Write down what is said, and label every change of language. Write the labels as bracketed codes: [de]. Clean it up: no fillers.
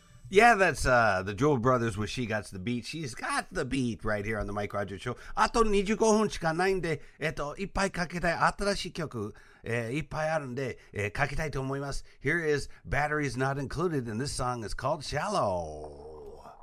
[en] Yeah, that's the Jewel Brothers with She Got the Beat. She's got the beat right here on the Mike Rogers Show. [ja] あと25分しかないんで、いっぱいかけたい新しい曲、いっぱいあるんで、かけたいと思います。 [en] Here is Batteries Not Included, and this song is called Shallow.